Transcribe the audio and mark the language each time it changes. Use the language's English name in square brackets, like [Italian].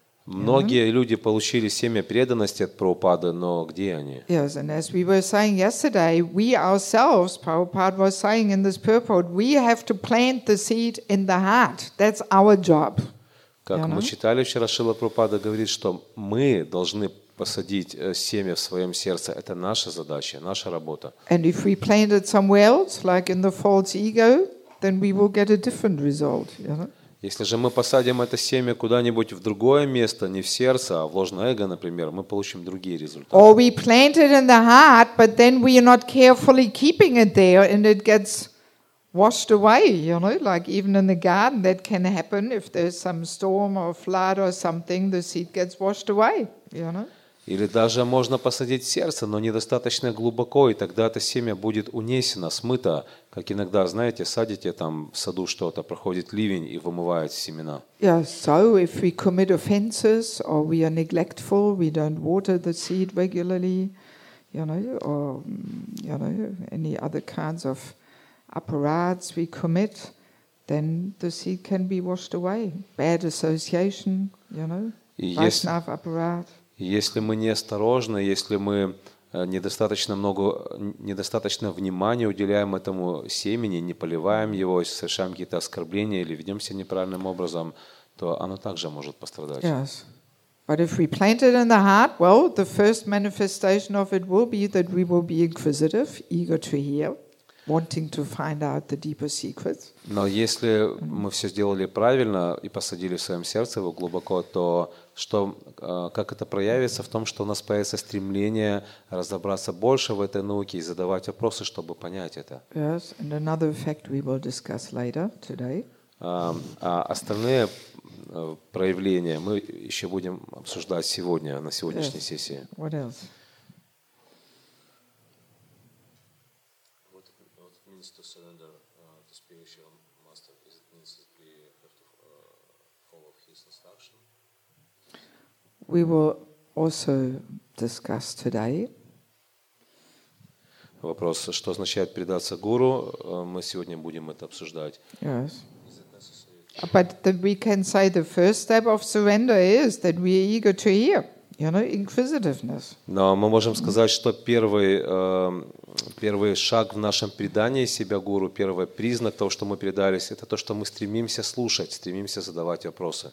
[Russian] Многие люди получили семя преданности от Прабхупады, но где они? [English] Yes, and as we were saying yesterday, we ourselves, Prabhupada was saying in this purport, we have to plant the seed in the heart. That's our job. [Russian] Как мы читали вчера, Шрила Прабхупада говорит, что мы должны посадить семя в своем сердце. Это наша задача, наша работа. [English] And if we plant it somewhere else, like in the false ego, then we will get a different result. [Russian] Если же мы посадим это семя куда-нибудь в другое место, не в сердце, а в ложное эго, например, мы получим другие результаты. [English] Or we plant it in the heart, but then we are not carefully keeping it there, and it gets washed away. You know, like even in the garden, that can happen if there's some storm or flood or something. The seed gets washed away. You know? [Russian] Или даже можно посадить в сердце, но недостаточно глубоко, и тогда это семя будет унесено, смыто, как иногда, знаете, садите там в саду что-то, проходит ливень и вымывает семена. [English] Yeah, so if we commit offenses or we are neglectful, we don't water the seed regularly, or any other kinds of aparads we commit, then the seed can be washed away. Bad association, you know. [Russian] Если мы неосторожны, если мы недостаточно много, недостаточно внимания уделяем этому семени, не поливаем его, совершаем какие-то оскорбления или ведемся неправильным образом, то оно также может пострадать. [English] Yes. But if we plant it in the heart, well, the first manifestation of it will be that we will be inquisitive, eager to hear, wanting to find out the deeper secrets. [Russian] Но если мы все сделали правильно и посадили в своем сердце его глубоко, то что, как это проявится в том, что у нас появится стремление разобраться больше в этой науке и задавать вопросы, чтобы понять это. [English] Yes, and another effect we will discuss later today. [Russian] А остальные проявления мы еще будем обсуждать сегодня, на сегодняшней [English] yes. [Russian] сессии. [English] What else? We will also discuss today. [Russian] Вопрос, что означает предаться гуру, мы сегодня будем это обсуждать. [English] Yes. But that we can say the first step of surrender is that we are eager to hear, you know, inquisitiveness. [Russian] Но мы можем сказать, что первый шаг в нашем предании себя гуру, первый признак того, что мы предались, это то, что мы стремимся слушать, стремимся задавать вопросы.